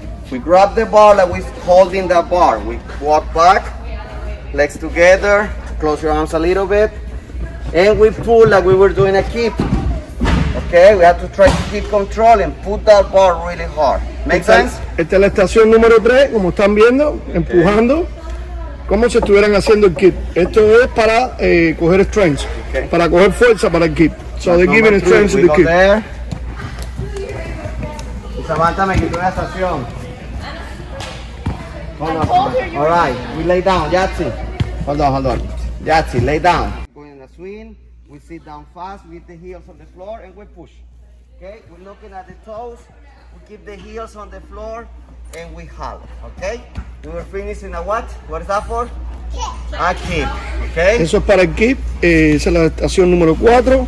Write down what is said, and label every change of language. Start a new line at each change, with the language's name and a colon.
English: We grab the bar like we're holding that bar. We walk back, legs together, close your arms a little bit, and we pull like we were doing a keep. Okay, we have to try to keep control and put that bar really hard. Make sense?
Spanish: Esta es la estación número tres, como están viendo, okay. Empujando. Como si estuvieran haciendo el keep. Esto es para coger strength,
English: okay.
Spanish: Para coger fuerza para el keep.
English: So they're giving three, strength to the keep. There.
Spanish: Samantha, me quito una estación.
English: Hold on. All right, we lay down, Yatsi. Hold on. Yatsi, lay down. Going in the swing, we sit down fast, we hit the heels on the floor, and we push. Okay, we're looking at the toes, we keep the heels on the floor, and we hollow, okay? We're finishing a what? What is that for? A keep, okay?
Spanish: Eso es para el keep, esa es la estación número 4,